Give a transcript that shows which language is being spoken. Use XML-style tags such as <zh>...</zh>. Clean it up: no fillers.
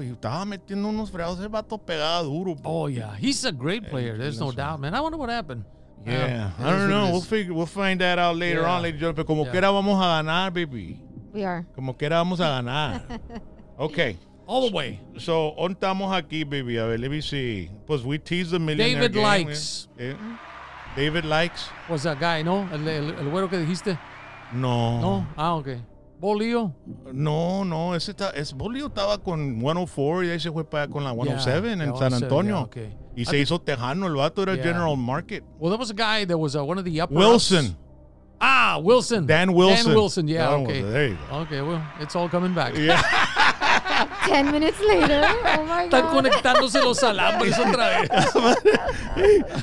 <es>Estaba metiendo unos fregados, ese vato pegaba duro.</es> <en>Oh, yeah. He's a great player. There's no doubt, man. I wonder what happened. Yeah. I don't know. We'll find that out later on, ladies and gentlemen.</en> <es>Como quiera vamos a ganar, baby.</es> <en>We are.</en> <es>Como quiera vamos a ganar. Okay.</es> <en>All the way. So,</en> <es>¿dónde estamos aquí,</es> <en>baby?</en> <es>A ver,</es> <en>let me see.</en> <es>Pues</es> <en>we tease the millionaire David game. David likes. Yeah. David likes. Was that guy, no?</en> <es>El güero que dijiste?</es> <en>No. No? Ah, okay. Bolio? No, no.</en> <es>Ese ta, es Bolio estaba con 104 y ahí se fue para allá con la 107 yeah, en San Antonio. Yeah, okay. Y se hizo tejano. El vato era yeah. General Market.</es> <en>Well, there was a guy that was one of the upper Wilson. Ups. Ah, Wilson. Dan Wilson. Dan Wilson, yeah, Dan okay. Was, there you go. Okay, well, it's all coming back. Yeah. 10 minutes later. Oh, my God.</en> <es>Están conectándose los alambres otra vez.</es>